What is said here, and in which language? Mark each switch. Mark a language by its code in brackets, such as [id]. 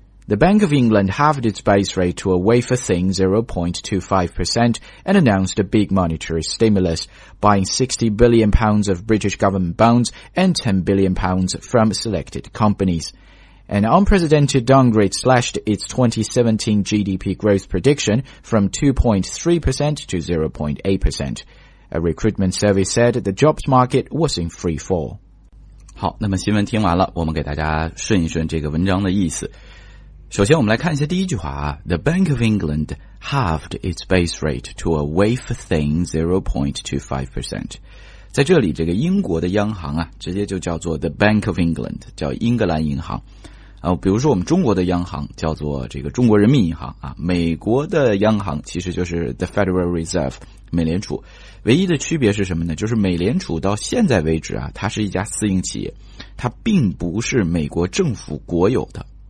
[en] The Bank of England halved its base rate to a wafer-thin 0.25% and announced a big monetary stimulus, buying £60 billion of British government bonds and £10 billion from selected companies. An unprecedented downgrade slashed its 2017 GDP growth prediction from 2.3% to 0.8%. A recruitment survey said the jobs market was in free fall. [zh] 好，那么新闻听完了，我们给大家顺一顺这个文章的意思。首先我们来看一下第一句话啊， [en] The Bank of England halved its base rate to a wafer-thin 0.25%。 [zh] 在这里这个英国的央行啊，直接就叫做 The Bank of England， 叫英格兰银行。比如说我们中国的央行叫做这个中国人民银行啊，美国的央行其实就是 The Federal Reserve， 美联储。唯一的区别是什么呢？就是美联储到现在为止啊，它是一家私营企业，它并不是美国政府国有的。